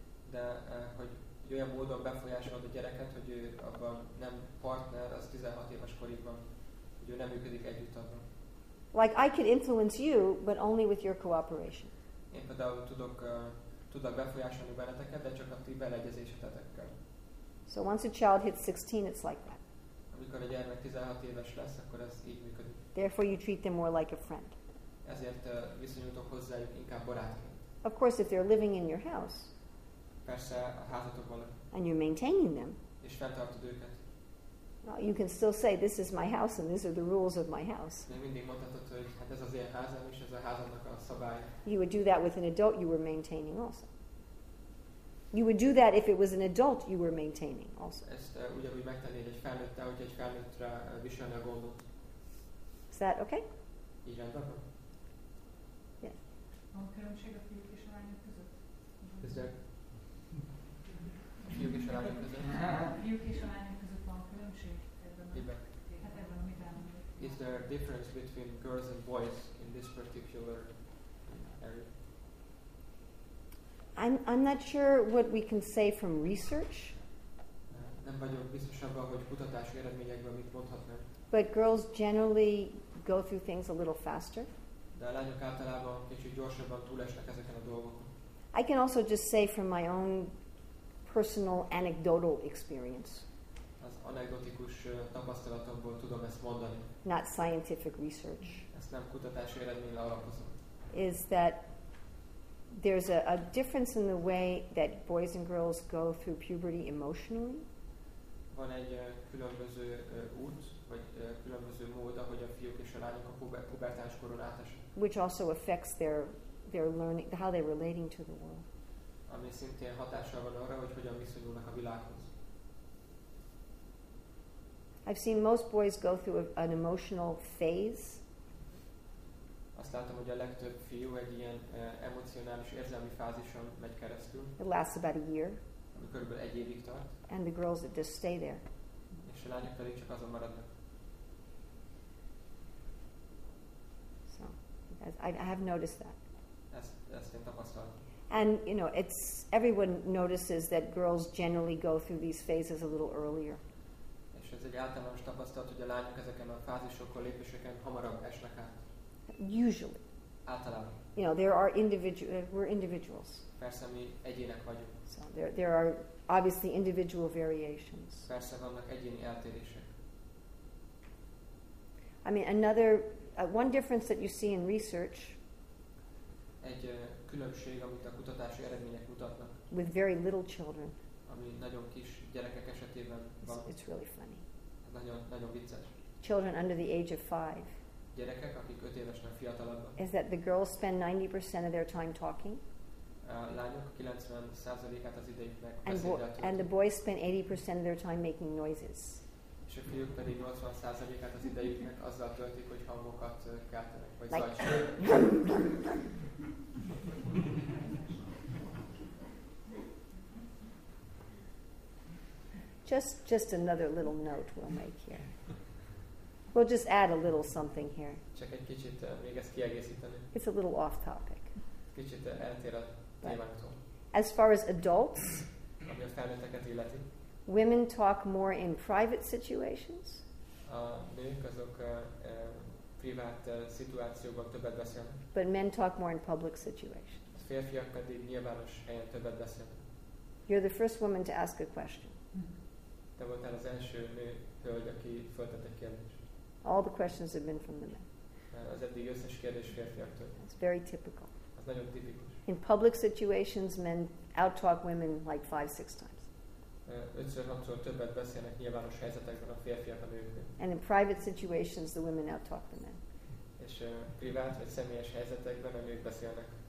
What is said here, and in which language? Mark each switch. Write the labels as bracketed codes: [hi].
[hu] De hogy olyan módon befolyásolod a gyereket, hogy ő abban nem partner, az 16 éves korigban, hogy ő nem működik együtt abban. [en] Like I could influence you, but only with your cooperation. [hu] Én például tudok befolyásolni benneteket, de csak a ti beleegyezésetekkel. [en] So once a child hits 16, it's like that. [hu] Amikor a gyermek 16 éves lesz, akkor ez így működik. [en] Therefore you treat them more like a friend. [hu] Ezért viszonyultok hozzájuk inkább barátként. [en] Of course, if they're living in your house, [hu] persze a házatokban, [en] and you're maintaining them, [hu] és fenntartod őket, [en] well, you can still say, this is my house, and these are the rules of my house. [hu] Még mindig mondhatod, hogy hát ez az én házam, és ez a házamnak a szabály. [en] You would do that with an adult you were maintaining also. You would do that if it was an adult you were maintaining also. [hu] Ezt ugyanúgy megtennéd egy felnőtt, hogy egy felnőttre viselni a gondot. [en] Is that okay? [hu] Így rendben van? [en] Yes. [hu] Van különbség a fiúk és a lányok között? [en] Is there? [hu] Fiúk és a lányok között? Fiúk és a lányok között van különbség ebben a mitában. [en] Is there a difference between girls and boys in this particular area? I'm not sure what we can say from research. [hu] Nem vagyok biztos abban, hogy kutatási eredményekből mit mondhatnak. [en] But girls generally go through things a little faster. [hu] De a lányok általában kicsit gyorsabban túlesnek ezeken a dolgokon. [en] I can also just say from my own personal anecdotal experience. [hu] Az anekdotikus tapasztalatokból tudom ezt mondani. [en] Not scientific research. [hu] Ezt nem kutatási eredményre alapozom. [en] Is that there's a difference in the way that boys and girls go through puberty emotionally. [hu] Van egy különböző út, vagy különböző mód, ahogy a fiúk és a lányok a pubertás koron átesnek. [en] Which also affects their learning, how they're relating to the world. [hu] Ami szintén hatással van arra, hogy hogyan viszonyulnak a világhoz. [en] I've seen most boys go through an emotional phase. [hu] Azt látom, hogy a legtöbb fiú egy ilyen emocionális, érzelmi fázison megy keresztül. [en] It lasts about a year. [hu] Ami körülbelül egy évig tart. [en] And the girls that just stay there. [hu] És a lányok pedig csak azon maradnak. [en] So, I have noticed that. [hu] Ezt én tapasztaltam. [en] And, you know, everyone notices that girls generally go through these phases a little earlier. [hu] És ez egy általános tapasztalat, hogy a lányok ezeken a fázisokon, lépéseken hamarabb esnek át. [en] Usually. [hu] Általában. [en] You know, there are we're individuals. [hu] Persze, mi egyének vagyunk. [en] So there are obviously individual variations. [hu] Persze, vannak egyéni eltérések. [en] I mean, another one difference that you see in research. [hu] Egy különbség, amit a kutatási eredmények mutatnak. [en] With very little children. [hu] Ami nagyon kis gyerekek esetében van. [en] It's really funny. [hu] Nagyon, nagyon vicces. [en] Children under the age of 5. [hu] Gyerekek, akik 5 évesnek fiatalabbak. [en] Is that the girls spend 90% of their time talking? [hu] A lányok 90%-át az idejüknek beszélgetnek. [en] And the boys spend 80% of their time making noises. [hu] És a fiúk pedig 80%-át az idejüknek azzal töltik, hogy hangokat keltenek, vagy [en] like [hu] zajt. [en] just another little note we'll make here. We'll just add a little something here. [hu] Csak egy kicsit még ezt kiegészíteni. [en] It's a little off topic. [hu] Kicsit eltér a témától. [en] As far as adults, [hu] ami a felnőtteket illeti, [en] women talk more in private situations. [hu] A nők azok privát szituációkban többet beszélnek. [en] But men talk more in public situations. [hu] férfiak pedig nyilvános helyen többet beszélnek. [en] You're the first woman to ask a question. [hu] Te voltál az első nő hölgy, aki föltette kérdést. [en] All the questions have been from the men. [hu] Az eddig összes kérdés férfiaktól. [en] It's very typical. [hu] Ez nagyon tipikus. [en] In public situations, men outtalk women like 5-6 times. [hu] Ötször-hatszor többet beszélnek nyilvános helyzetekben a férfiak a nőknél. [en] And in private situations, the women outtalk the men. [hu] És privát vagy személyes helyzetekben a nők beszélnek.